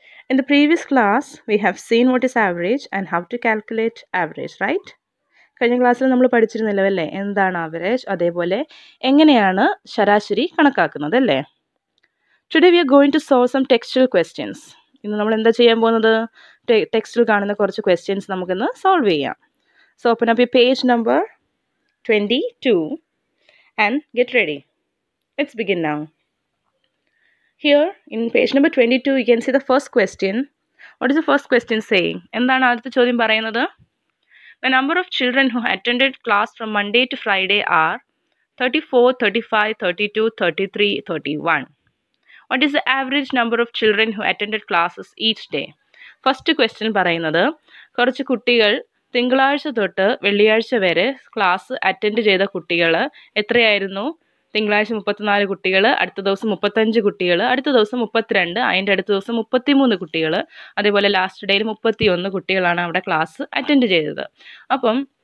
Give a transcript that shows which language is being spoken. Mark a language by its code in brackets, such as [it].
[en] In the previous class, we have seen what is average and how to calculate average, right? [ml] കഴിഞ്ഞ ക്ലാസ്സിൽ നമ്മൾ പഠിച്ചിരുന്നില്ലവല്ലേ എന്താണ് average അതേപോലെ എങ്ങനെയാണ് ശരാശരി കണക്കാക്കുന്നത് അല്ലേ [en] today we are going to solve some textual questions [ml] ഇന്ന് നമ്മൾ എന്താ ചെയ്യാൻ പോകുന്നത് ടെക്സ്റ്റിൽ കാണുന്ന കുറച്ച് ക്വസ്റ്റ്യൻസ് നമുക്കിന്ന് സോൾവ് ചെയ്യാം [en] So open up your page number 22 and get ready. Let's begin now. Here in page number 22 you can see the first question. What is the first question saying? [ml] എന്താണ് ആദ്യത്തെ ചോദ്യം പറയുന്നത്? [en] The number of children who attended class from Monday to Friday are 34, 35, 32, 33, 31. What is the average number of children who attended classes each day? First question [ml] പറയുന്നത് കുറച്ച് കുട്ടികൾ തിങ്കളാഴ്ച തൊട്ട് വെള്ളിയാഴ്ച വരെ ക്ലാസ് അറ്റൻഡ് ചെയ്ത കുട്ടികൾ എത്രയായിരുന്നു തിങ്കളാഴ്ച 34 കുട്ടികൾ അടുത്ത ദിവസം 35 കുട്ടികൾ അടുത്ത ദിവസം 32 അതിൻ്റെ അടുത്ത ദിവസം 33 കുട്ടികൾ അതേപോലെ ലാസ്റ്റ് ഡേയിൽ 31 കുട്ടികളാണ് അവിടെ ക്ലാസ് അറ്റൻഡ് ചെയ്തത് അപ്പം